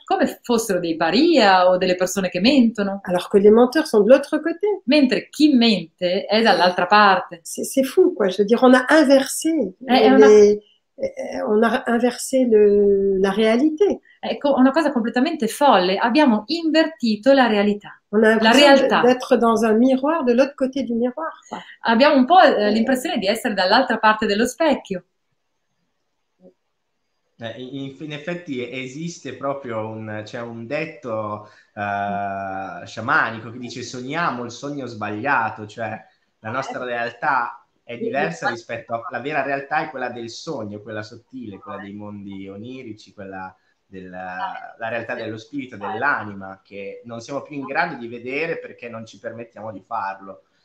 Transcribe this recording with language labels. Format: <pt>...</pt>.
<it>come fossero dei paria o delle persone che mentono,</it> <fr>alors que les menteurs sont de l'autre côté,</fr> <it>mentre chi mente è dall'altra parte.</it> <fr>C'est fou quoi, je veux dire, on a inversé la réalité.</fr> <it>Ecco, una cosa completamente folle, abbiamo invertito la realtà.</it> <fr>On a</fr> <it>la realtà.</it> <fr>D'être dans un miroir de l'autre côté du miroir.</fr> <it>Abbiamo un po' l'impressione di essere dall'altra parte dello specchio. In effetti esiste proprio un detto sciamanico che dice sogniamo il sogno sbagliato, cioè la nostra realtà è diversa rispetto alla vera realtà, è quella del sogno, quella sottile, quella dei mondi onirici, quella della realtà dello spirito, dell'anima, che non siamo più in grado di vedere perché non ci permettiamo di farlo.</it>